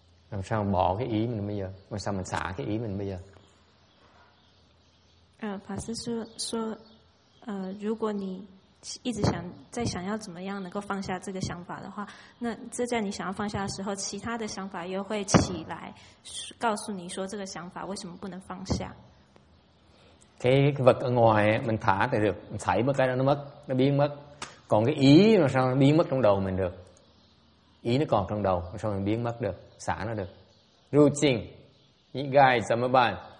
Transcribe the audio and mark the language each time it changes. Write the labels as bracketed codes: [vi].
[vi] Làm sao mình bỏ cái ý mình bây giờ? Làm sao mình xả cái ý mình bây giờ? [zh] Pháp sư 说如果你一直想要怎么样能够放下这个想法的话，那这在你想要放下的时候，其他的想法又会起来，告诉你说这个想法为什么不能放下。 [vi] Cái vật ở ngoài mình thả thì được, mình xảy một cái nó mất, nó biến mất. Còn cái ý nó sao nó biến mất trong đầu mình được? Ý nó còn trong đầu, sao mình biến mất được? Xả nó được. [en] Ru Qing, you guys, tell me about it.